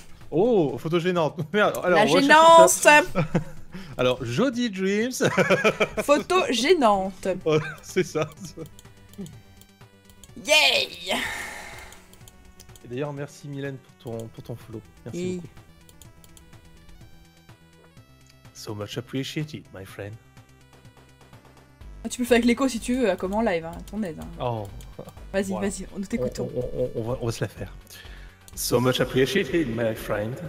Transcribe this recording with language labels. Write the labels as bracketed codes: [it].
[fr] Oh, photos gênantes. La gênance. Alors, Jody Dreams. Photo gênante. Oh, c'est ça. Yay. Et d'ailleurs, merci Mylène pour ton follow. Merci beaucoup. [en] So much appreciated, my friend. [fr] Ah, tu peux le faire avec l'écho si tu veux, comme en live, hein, ton aide. Hein. Oh. Vas-y, voilà. Vas-y, nous t'écoutons. On va se la faire. [en] So much appreciated, my friend.